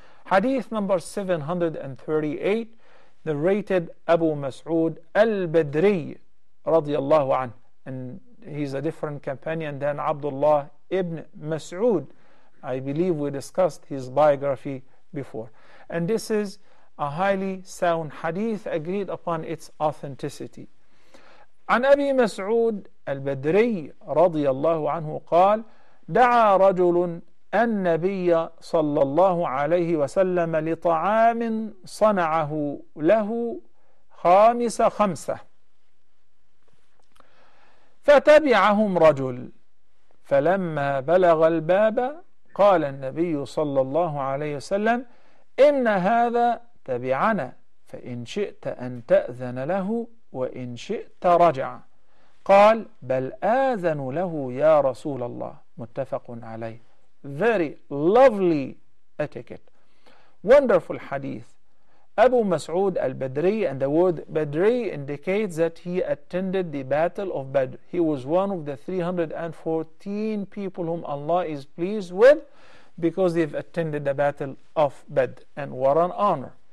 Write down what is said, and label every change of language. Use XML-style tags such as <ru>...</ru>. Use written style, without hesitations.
<en>Hadith number 738, narrated Abu Mas'ud al-Badri radiyallahu anhu, and he's a different companion than Abdullah ibn Mas'ud. I believe we discussed his biography before, and this is a highly sound hadith agreed upon its authenticity.</en> <ar>عن أبي مسعود البدري رضي الله عنه قال دعا رجل النبي صلى الله عليه وسلم لطعام صنعه له خامس خمسة فتبعهم رجل فلما بلغ الباب قال النبي صلى الله عليه وسلم إن هذا تبعنا فإن شئت أن تأذن له وإن شئت رجع قال بل آذن له يا رسول الله متفق عليه.</ar> <en>Very lovely etiquette, wonderful hadith. Abu Mas'ud al-Badri, and the word Badri indicates that he attended the battle of Badr. He was one of the 314 people whom Allah is pleased with because they've attended the battle of Badr, and what an honor.</en>